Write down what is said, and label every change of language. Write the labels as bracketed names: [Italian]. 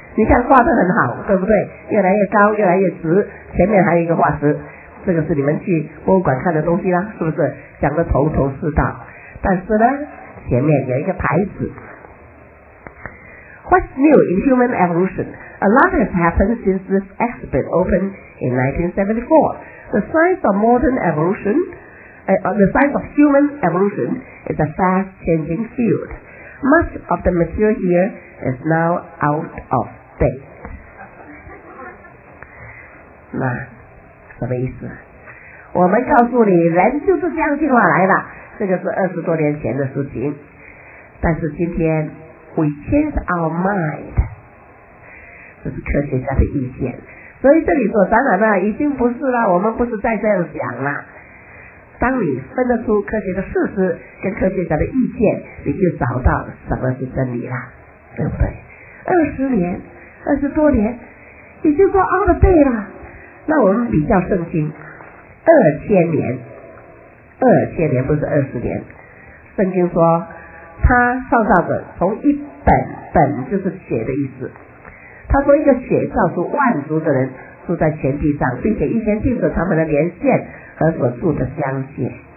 [Chinese] 你看画得很好，对不对？越来越高，越来越直，前面还有一个化石，这个是你们去博物馆看的东西啦，是不是？讲得头头是道。但是呢，前面有一个牌子 [English] What's new in human evolution? A lot has happened since this exhibit opened in 1974. The science of modern evolution, the science of human evolution is a fast changing field. Much of the material here is now out of date. [Chinese] 那什么意思？我们告诉你，人就是这样进化来的，这个是20多年前的事情。但是今天 [English] we change our mind. [Chinese] 这是科学家的意见。所以这里所展览的已经不是了，我们不是再这样想了。当你分得出科学的事实跟科学家的意见，你就找到什么是真理了，对不对？ 20多年已经说 [English] out of date [Chinese] 了。那我们比较圣经，2000年不是20年，圣经说他创造者从一本，本就是血的意思，他说一个血造出万族的人住在全地上，并且预先定着他们的连线和所住的疆界。